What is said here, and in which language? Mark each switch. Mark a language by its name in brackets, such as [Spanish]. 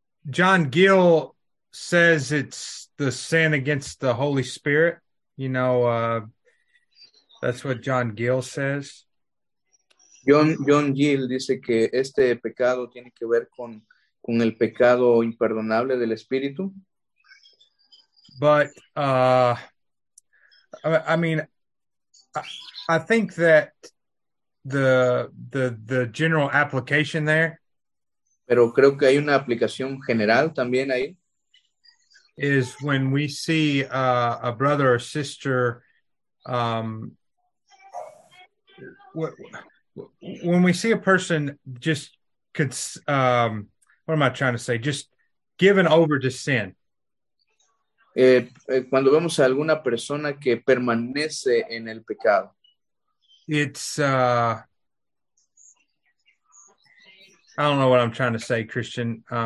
[English] John Gill says it's the sin against the Holy Spirit. That's what John Gill says. [Spanish] John Gill dice que este pecado tiene que ver con el pecado imperdonable del espíritu. [English] But I mean, I think that the general application there. [Spanish] Pero creo que hay una aplicación general también ahí. [English] is when we see a brother or sister, when we see a person just could, what am I trying to say? Just given over to sin. [Spanish] Cuando vemos a alguna persona que permanece en el pecado. [English] It's, I don't know what I'm trying to say, Christian.